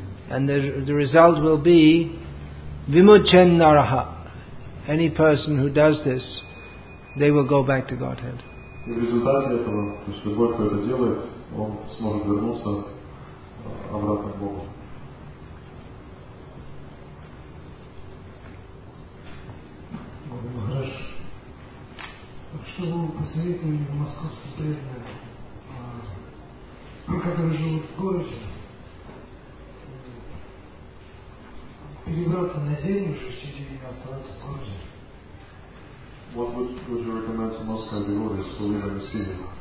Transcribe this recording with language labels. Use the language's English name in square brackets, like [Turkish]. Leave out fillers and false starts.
[English] And the result will be Vimuchen Naraha. Any person who does this, they will go back to Godhead. [Russian] И в результате этого, то есть любой, кто это делает, он сможет вернуться обратно к Богу. Хорошо. Что бы вы посоветовали московским преданным, которые живут в городе, перебраться на землю в 6-9 и оставаться в городе? [English] What would you recommend to Moscow devotees to live in the city?